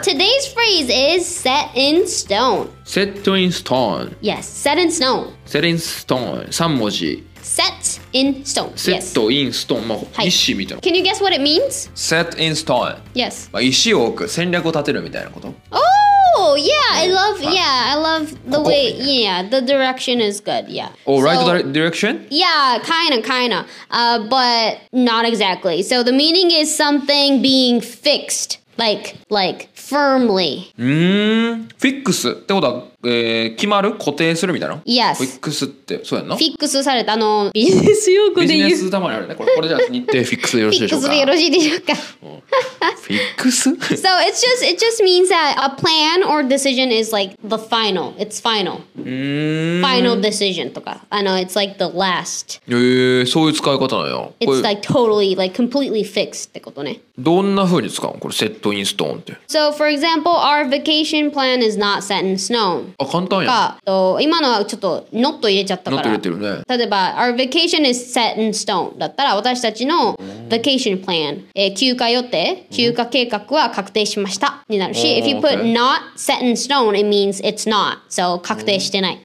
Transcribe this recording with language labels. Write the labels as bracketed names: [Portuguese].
[English] Today's phrase is set in stone. Set in stone. Yes, set in stone. Set in stone. [Japanese] 3文字 [English] Set in stone. Set in stone. [Japanese] まあ、石みたいな。 [English] Can you guess what it means? Set in stone. Yes. [Japanese] まあ、石を置く、戦略を立てるみたいなこと。 [English] Oh, yeah, I love, yeah, I love the way, yeah, the direction is good, yeah. Oh, right direction? Yeah, kinda, but not exactly. So the meaning is something being fixed. Like, firmly. [Japanese] Fix ってことは、決まる固定するみたいな [English] Yes. [Japanese] Fix ってそうやんの Fix されたビジネス用語で言う。ビジネスたまにあるね。これじゃあ日程 Fix でよろしいでしょうか Fix でよろしいでしょうか [English] Fix? So it just means that a plan or decision is like the final. It's final. Final decision とか。It's like the last. [Japanese] そういう使い方なんや。 [English] It's like totally, like completely fixed [Japanese] ってことね。どんな風に使うのこれセットインストーンって。 [English] So for example, our vacation plan is not set in stone. [Japanese] あ、簡単やん。と今のはちょっと not 入れちゃったから。 not 入れてるね。例えば、 [English] our vacation is set in stone. [Japanese] だったら私たちの vacation plan、休暇予定、休暇計画は確定しましたになるし、 [English] if you put not set in stone, it means it's not. [Japanese] So 確定してない。